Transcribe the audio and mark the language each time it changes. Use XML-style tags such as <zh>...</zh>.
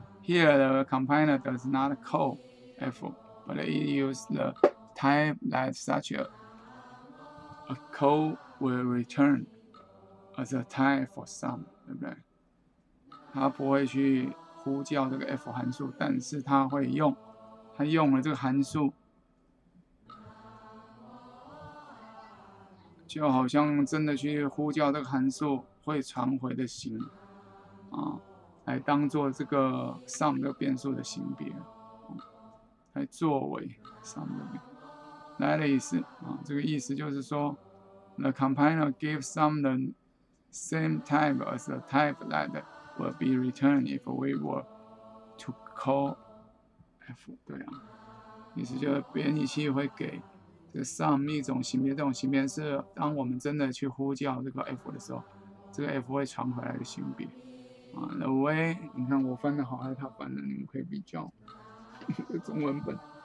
<en>Here the compiler does not call f， but it uses the type that such a call will return as a type for sum，</en> <zh>对不对？它不会去呼叫这个 f 函数，但是它会用，它用了这个函数。就好像真的去呼叫这个函数会传回的型，啊，来当做这个 sum 的变数的型别，来作为 sum 的变。来的意思啊，这个意思就是说</zh> <en>，the compiler gives sum the same type as the type that will be returned if we were to call f。</en> <zh>对啊，意思就是编译器会给。这个 sum 一种型别，这种型别是当我们真的去呼叫这个 f 的时候，这个 f 会传回来的型别。啊 ，</zh> <en>the way</en> <zh>你看我翻的好还是他翻的，你们可以比较中文本。</zh>